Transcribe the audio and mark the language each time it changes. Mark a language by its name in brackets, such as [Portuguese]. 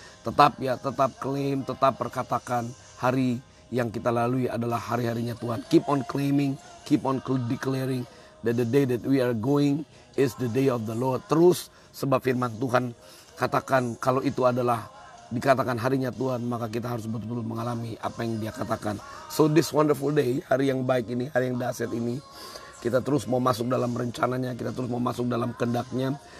[Indonesian] Tetap ya, tetap claim, tetap perkatakan hari yang kita lalui adalah hari-harinya Tuhan. [English] Keep on claiming, keep on declaring that the day that we are going is the day of the Lord. [Indonesian] Terus, sebab firman Tuhan katakan kalau itu adalah dikatakan harinya Tuhan, maka kita harus betul-betul mengalami apa yang dia katakan. [English] So this wonderful day, [Indonesian] hari yang baik ini, hari yang dahsyat ini, kita terus mau masuk dalam rencananya, kita terus mau masuk dalam kehendak-Nya.